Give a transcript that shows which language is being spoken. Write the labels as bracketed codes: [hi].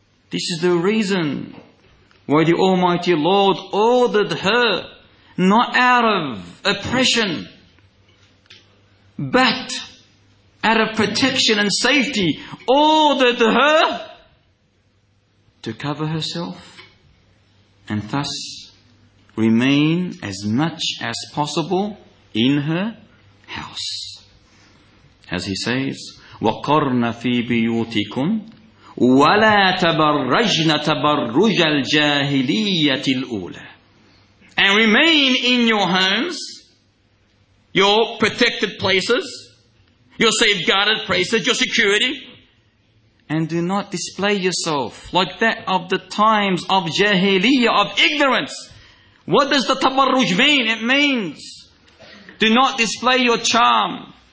[en] This is the reason why the Almighty Lord ordered her, not out of oppression, but out of protection and safety, ordered her to cover herself and thus remain as much as possible in her house. As he says, [ar] وَقَرْنَ فِي بِيُوتِكُمْ وَلَا تَبَرَّجْنَ تَبَرُّجَ الْجَاهِلِيَّةِ الْأُولَى. [en] And remain in your homes, your protected places, your safeguarded places, your security, and do not display yourself like that of the times of jahiliyyah, of ignorance. What does the tabarruj mean? It means, do not display your charm.